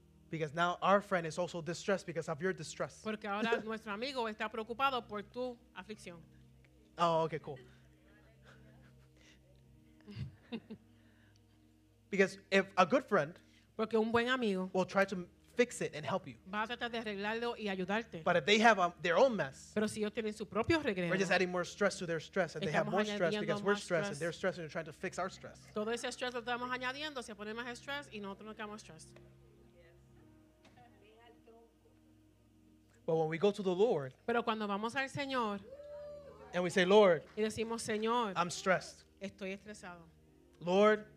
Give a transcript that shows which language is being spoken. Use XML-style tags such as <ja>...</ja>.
<en>Because now our friend is also distressed because of your distress.</en> <es>Porque ahora nuestro amigo está preocupado por tu aflicción.</es> <en>Oh, okay, cool. Because if a good friend,</en> <es>porque un buen amigo,</es> <en>will try to fix it and help you,</en> <es>va a tratar de arreglarlo y ayudarte.</es> <en>But if they have their own mess,</en> <es>pero si ellos tienen su propio regreso,</es> <en>we're just adding more stress to their stress, and they have more stress because we're stressed, and they're stressed, and they're trying to fix our stress.</en> <es>Todo ese estrés lo estamos añadiendo, se pone más estrés y nosotros nos quedamos estrés.</es> <en>But when we go to the Lord,</en> <es>pero cuando vamos al Señor,</es> <en>and we say, Lord,</en> <es>y decimos, Señor,</es> <en>I'm stressed.</en> <es>Estoy estresado.</es> <en>Lord,</en>